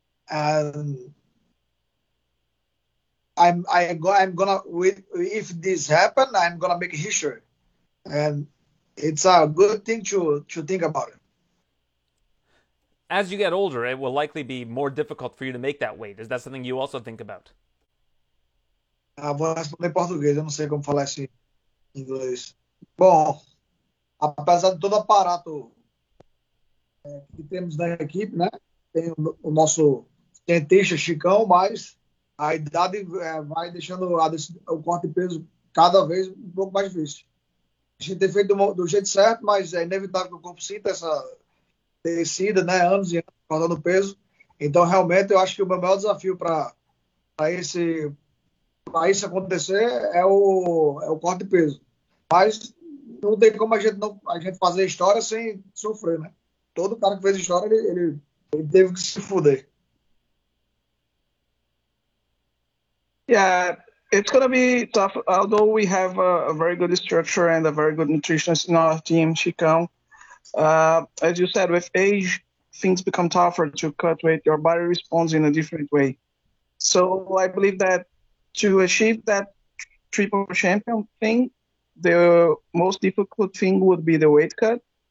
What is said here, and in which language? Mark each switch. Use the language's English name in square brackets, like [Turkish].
[English] And if this happen, I'm going to make history. And it's a good thing to think about it. As you get older, it will likely be more difficult for you to make that weight. Is that something you also think about? [Portuguese] Eu vou responder em português, eu não sei como falar isso em inglês. Bom, apesar de todo aparato que temos na equipe, né? Tem o nosso cientista Chicão, mas a idade vai deixando o corte de peso cada vez um pouco mais difícil. A gente tem feito do jeito certo, mas é inevitável que o corpo sinta essa descida, né? Anos e anos cortando peso. Então, realmente, eu acho que o meu maior desafio para isso acontecer é o corte de peso. Mas não tem como a gente fazer história sem sofrer, né? Todo cara que fez história, ele teve que se fuder. [English] Yeah. It's going to be tough, although we have a very good structure and a very good nutritionist in our team, Chicão. As you said, with age, things become tougher to cut weight. Your body responds in a different way. So I believe that to achieve that triple champion thing, the most difficult thing would be the weight cut.